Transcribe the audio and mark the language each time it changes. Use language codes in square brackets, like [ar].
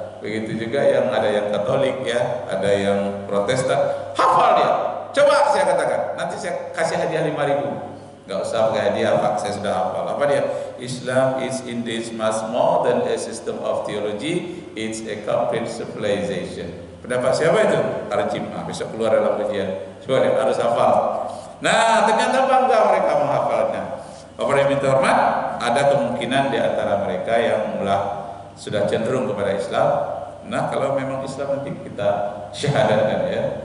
[id] Begitu juga yang ada yang Katolik ya, ada yang Protestan, hafal dia. Coba saya katakan, nanti saya kasih hadiah 5.000. Enggak usah pakai hadiah, Pak, saya sudah hafal. Apa dia? [en] Islam is indeed much more than a system of theology, it's a complete civilization. [id] Pendapat siapa itu? Arjim. Nah, bisa keluar dalam ujian. Coba dia harus hafal. Nah, ternyata bangga mereka menghafalnya. Bapak yang minta hormat, ada kemungkinan di antara mereka yang mulai sudah cenderung kepada Islam Nah, kalau memang Islam nanti kita syahadatkan ya.